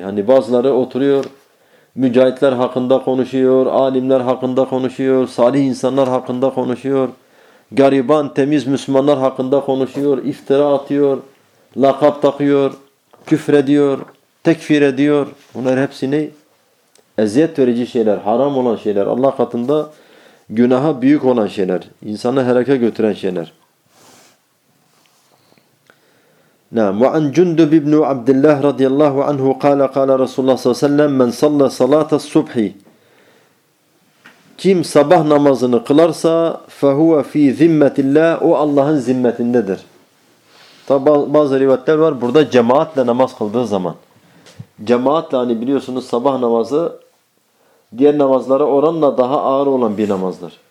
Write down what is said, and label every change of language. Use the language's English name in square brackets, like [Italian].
[Turkish] Hani bazıları oturuyor, mücahitler hakkında konuşuyor, alimler hakkında konuşuyor, salih insanlar hakkında konuşuyor, gariban, temiz Müslümanlar hakkında konuşuyor, iftira atıyor, lakap takıyor, küfrediyor, tekfir ediyor. Bunlar hepsi ne? Eziyet verici şeyler, haram olan şeyler, Allah katında günaha büyük olan şeyler, insanı helake götüren şeyler. [Arabic] نعم وعن جندب بن عبد الله رضي الله عنه قال قال رسول الله صلى الله عليه وسلم من صلى صلاة الصبح [Turkish] kim sabah namazını kılarsa [Arabic] fehuve fi zimmetillah, [Turkish] o Allah'ın zimmetindedir. Tabi bazı rivayetler var. Burada cemaatle namaz kıldığı zaman. Cemaatle, hani biliyorsunuz sabah namazı diğer namazlara oranla daha ağır olan bir namazdır.